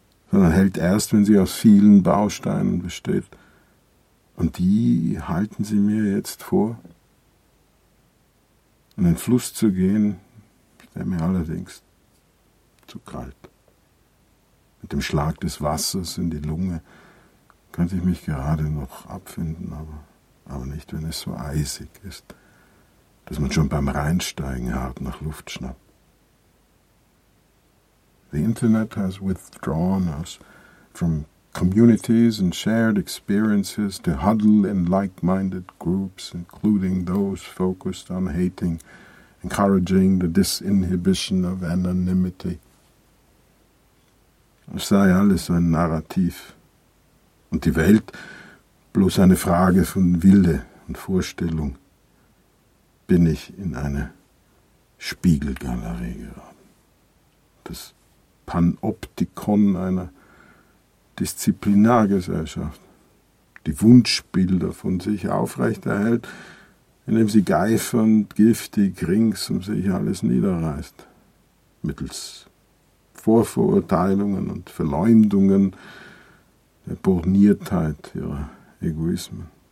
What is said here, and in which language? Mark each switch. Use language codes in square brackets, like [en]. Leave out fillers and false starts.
[de] sondern hält erst, wenn sie aus vielen Bausteinen besteht. Und die halten Sie mir jetzt vor, in den Fluss zu gehen, der mir allerdings zu kalt. Mit dem Schlag des Wassers in die Lunge könnte ich mich gerade noch abfinden, aber nicht, wenn es so eisig ist, dass man schon beim Reinsteigen hart nach Luft schnappt. [en] The Internet has withdrawn us from communities and shared experiences to huddle in like-minded groups, including those focused on hating, encouraging the disinhibition of anonymity. [de] Es sei alles ein Narrativ und die Welt bloß eine Frage von Wille und Vorstellung. Bin ich in eine Spiegelgalerie geraten? Das Panoptikon einer Disziplinargesellschaft, die Wunschbilder von sich aufrechterhält, indem sie geifernd, giftig rings um sich alles niederreißt, mittels Vorverurteilungen und Verleumdungen der Borniertheit ihrer Egoismen.